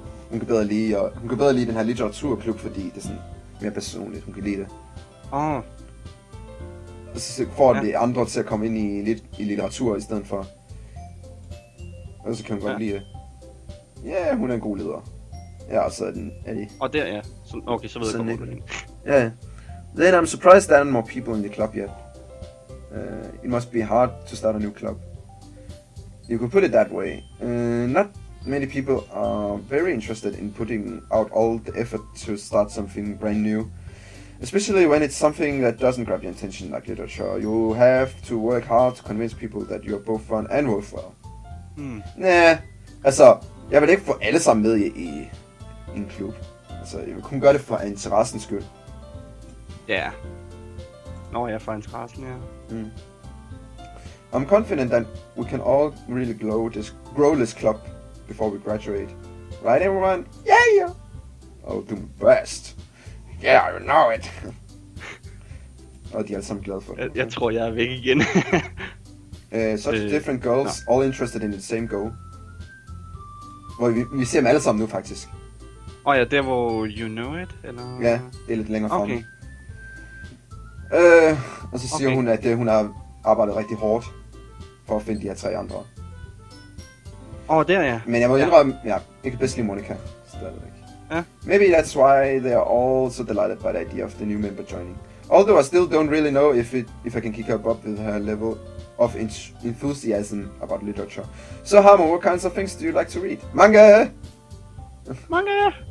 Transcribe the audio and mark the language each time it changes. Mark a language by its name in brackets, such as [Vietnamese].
[Danish] Hun kan bedre lide, og hun kan bedre lide den her litteraturklub, fordi det er sådan mere personligt, hun kan lide det. Åh. Oh. Så får det andre til at komme ind i litteratur i stedet for. Og så kan hun godt lide det. Ja, yeah, hun er en god leder. Ja, og så er den, er de. Og der, ja. Så, okay, så ved sådan jeg, hvor hun. Ja. [English] Then I'm surprised there aren't more people in the club yet. It must be hard to start a new club. You could put it that way. Not many people are very interested in putting out all the effort to start something brand new. Especially when it's something that doesn't grab your attention like literature. You have to work hard to convince people that you're both fun and worthwhile. Hmm. [Danish] Næh, altså, jeg vil ikke få alle sammen med i en klub. Altså, jeg vil kun gøre det for interessens skyld. Ja. Yeah. Nå, jeg er for interessen, ja. Hmm. [English] I'm confident that we can all really grow this club before we graduate. Right, everyone? Yeah, yeah! I'll do my best. Yeah, I know it! [Danish] Og de er alle sammen glade for det. Jeg tror, jeg er væk igen. [English] such different girls, no. All interested in the same goal. [Danish] Hvor vi ser dem alle sammen nu, faktisk. Oh, ja, der hvor [English] you know it, [Danish] eller? Ja, det er lidt længere frem. Okay. Og så siger hun, at hun har arbejdet rigtig hårdt for at finde de her tre andre. Åh, oh, der ja. Men jeg må indrømme, ja, jeg kan bedst lide Monica. Stadigvæk. Ja. [English] Maybe that's why they are all so delighted by the idea of the new member joining. Although I still don't really know if I can keep up with her level of enthusiasm about literature. So Harmo, what kinds of things do you like to read? Manga! Manga!